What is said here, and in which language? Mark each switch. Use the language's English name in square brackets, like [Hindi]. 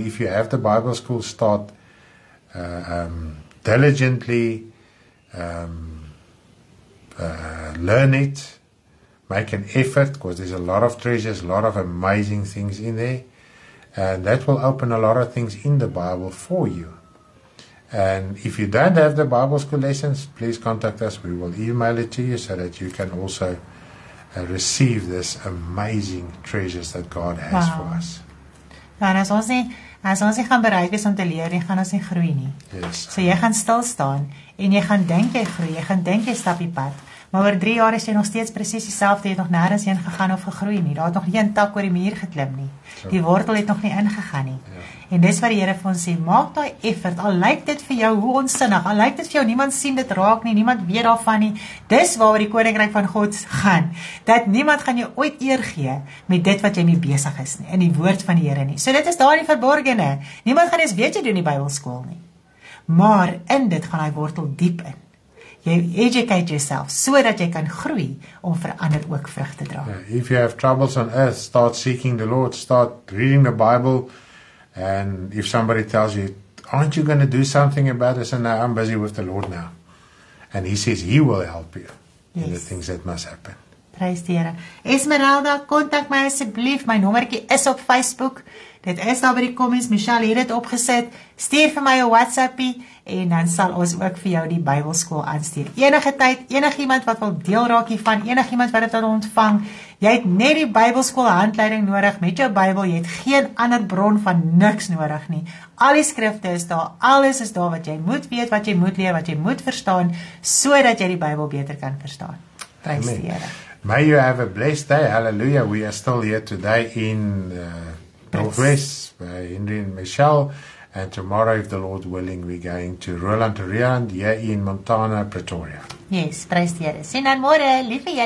[English] If you have the Bible school, start diligently, learn it, make an effort, because there's a lot of treasures, a lot of amazing things in there, and that will open a lot of things in the Bible for you. And if you don't have the Bible school lessons, please contact us. We will email it to you so that you can also receive this amazing treasures that God has for us. [Afrikaans] Ja, en as ons nie gaan bereid is om te leer, nie gaan ons nie groei nie. [English] Yes. [Afrikaans] So jy gaan stil staan en jy gaan dink jy groei, jy gaan dink jy stap die pad. Maar oor 3 jaar is jy nog steeds precies dieselfde, jy het nog nergens heen gegaan of gegroei nie. Daar het nog nie een tak oor die muur geklim nie. So. Die wortel het nog nie ingegaan nie. Ja. En dis wat die Here vir ons sê, maak daai effort, al lyk dit vir jou hoe onsinnig, al lyk dit vir jou, niemand sien dit raak nie, niemand weet daarvan nie, dis waar die koninkryk van God gaan, dat niemand gaan jou ooit eer gee met dit wat jy mee besig is nie, in die woord van die Here nie. So dit is daar die verborgene, niemand gaan eens weet jy doen die Bybelskool nie, maar in dit gaan hy wortel diep in. Jy [English] educate yourself, [Afrikaans] so dat jy kan groei, om vir ander ook vrug te dra. [English] If you have troubles on earth, start seeking the Lord, start reading the Bible. And if somebody tells you, aren't you going to do something about this? And now I'm busy with the Lord now. And he says he will help you in the things that must happen. [Afrikaans] Praise die Here. Esmeralda, contact my asseblief. My nommerkie is op Facebook. Dit is daar by die comments. Michelle het dit opgesit. Stuur vir my 'n WhatsAppie en dan sal ons ook vir jou die Bybelskool aanstuur. Enige tyd, enige iemand wat wil deel raak hiervan, enige iemand wat dit wil ontvang, jy het net die Bybelskool handleiding nodig met jou Bybel, jy het geen ander bron van niks nodig nie. Al die skrifte is daar, alles is daar wat jy moet weet, wat jy moet leer, wat jy moet verstaan, so dat jy die Bybel beter kan verstaan. Prys die Here. [English] May you have a blessed day. Hallelujah. We are still here today in Northwest by Henry and Michelle. And tomorrow, if the Lord willing, we're going to Roland Rian here in Montana, Pretoria. Yes, praise the Lord. See you tomorrow. Love you.